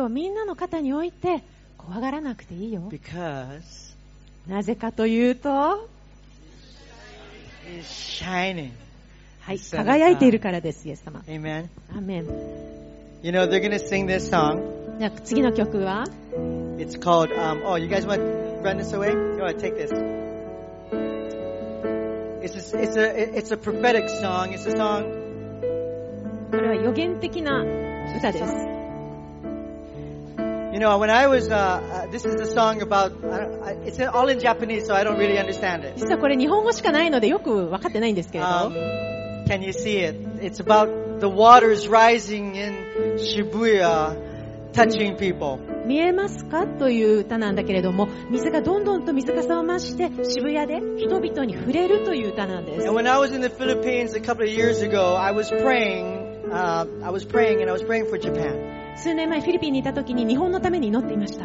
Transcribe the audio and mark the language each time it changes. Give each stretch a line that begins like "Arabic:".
Japanese: をみんなの肩に置いて怖がらなくていいよ。
English: Because、
Japanese: なぜかというと、
English: shining.
Japanese: はい、輝いているからです、イエス様。
English: Amen. Amen. You know, they're gonna sing this song.
Japanese: じゃあ次の曲は
English: It's called, oh, you guys want to run this away? Go ahead, take this. It's a prophetic song. It's a song.
Japanese: これは予言的な歌です。
English: You know, when I was, this is a song about, it's all in Japanese, so I don't really understand it.
Japanese: 実はこれ日本語しかないのでよく分かってないんですけれど。
English: Can you see it? It's about the waters rising in Shibuya, touching people.
Japanese: 見えますかという歌なんだけれども水がどんどんと水かさを増して渋谷で人々に触れるという歌なんです。
English: And when I was in the Philippines a couple of years ago, I was praying and I was praying for Japan.
Japanese: 数年前フィリピンにいた時に日本のために祈っていました。